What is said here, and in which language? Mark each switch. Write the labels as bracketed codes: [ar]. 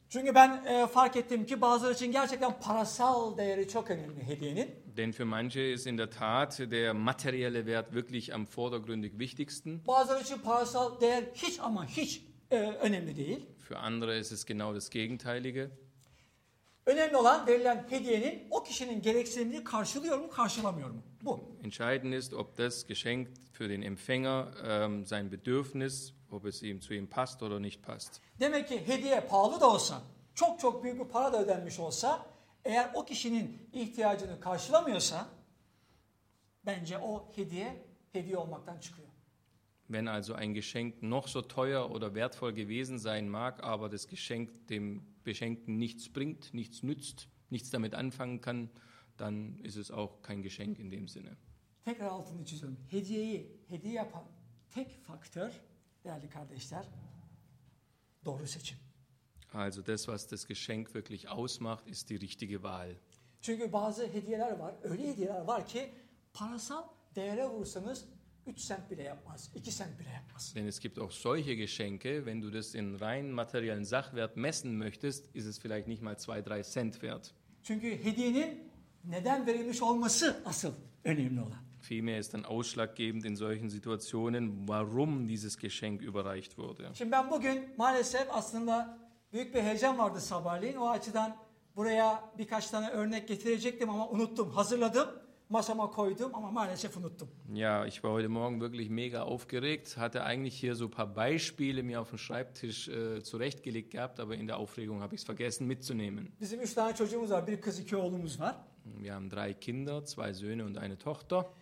[tr] Çünkü ben fark ettim ki bazıları için gerçekten parasal değeri çok önemli hediyenin. [de] Denn für manche ist in der Tat der materielle Wert wirklich am vordergründig wichtigsten. [tr] Bazıları için parasal değer hiç ama hiç önemli değil. [de] Für andere ist es genau das Gegenteilige. [tr] Önemli olan verilen hediyenin o kişinin gereksinimini karşılıyor mu, karşılamıyor mu? Bu. [de] Entscheidend ist, ob das Geschenk für den Empfänger sein Bedürfnis, ob es ihm zu ihm passt oder nicht passt. [tr] Demek ki hediye pahalı da olsa, çok çok büyük bir para da ödenmiş olsa, eğer o kişinin ihtiyacını karşılamıyorsa, bence o hediye hediye olmaktan çıkıyor. [de] Wenn also ein Geschenk noch so teuer oder wertvoll gewesen sein mag, aber das Geschenk dem Beschenkten nichts bringt, nichts nützt, nichts damit anfangen kann, dann ist es auch kein Geschenk in dem Sinne. [tr] Tekrar altını çiziyorum. Hediyeyi hediye yapan tek faktör, değerli kardeşler, doğru seçim. [de] Also das, was das Geschenk wirklich ausmacht, ist die richtige Wahl. [tr] Çünkü bazı hediyeler var, öyle hediyeler var ki parasal değere vursanız 3 cent bile yapmaz, 2 cent bile yapmaz. [de] Denn es gibt auch solche Geschenke, wenn du das in rein materiellen Sachwert messen möchtest, ist es vielleicht nicht mal 2-3 cent wert. [tr] Çünkü hediyenin neden verilmiş olması asıl önemli olan. [de] Vielmehr ist dann ausschlaggebend in solchen Situationen, warum dieses Geschenk überreicht wurde. [tr] Şimdi ben bugün maalesef aslında büyük bir heyecan vardı sabahleyin. O açıdan buraya birkaç tane örnek getirecektim ama unuttum, hazırladım. Masama koydum ama maalesef unuttum. [de] Ja, ich war heute Morgen wirklich mega aufgeregt, hatte eigentlich hier so ein paar Beispiele mir auf dem Schreibtisch zurechtgelegt gehabt, aber in der Aufregung habe ich es vergessen mitzunehmen. [tr] Bizim üç tane çocuğumuz var, bir kız iki oğlumuz var. [de] Wir haben drei Kinder, zwei Söhne und eine Tochter.